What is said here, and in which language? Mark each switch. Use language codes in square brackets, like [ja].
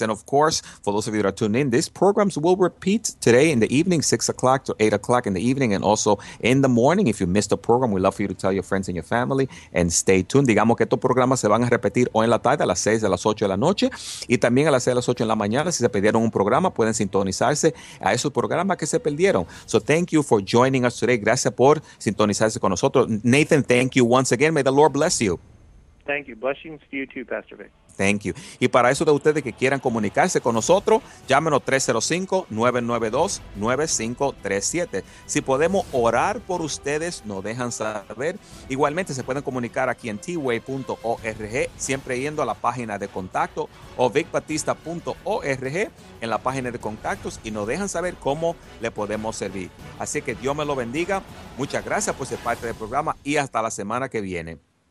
[en] And of course, for those of you that are tuned in, these programs will repeat today in the evening, 6 o'clock to 8 o'clock in the evening, and also in the morning. If you missed a program, we'd love for you to tell your friends and your family and stay tuned. [es] Digamos que estos programas se van a repetir hoy en la tarde a las 6 de las 8 de la noche y también a las 6 de las 8 de la mañana. Si se perdieron un programa, pueden sintonizarse a esos programas que se perdieron. [en] So thank you for joining us today. [es] Gracias por sintonizarse con nosotros. [en] Nathan, thank you once again. May the Lord bless you. Thank you. Blessings to you too, Pastor Vic. Thank you. [es] Y para eso de ustedes que quieran comunicarse con nosotros, llámenos 305-992-9537. Si podemos orar por ustedes, nos dejan saber. Igualmente se pueden comunicar aquí en tway.org, siempre yendo a la página de contacto, o vicbatista.org en la página de contactos, y nos dejan saber cómo le podemos servir. Así que Dios me lo bendiga. Muchas gracias por ser parte del programa y hasta la semana que viene.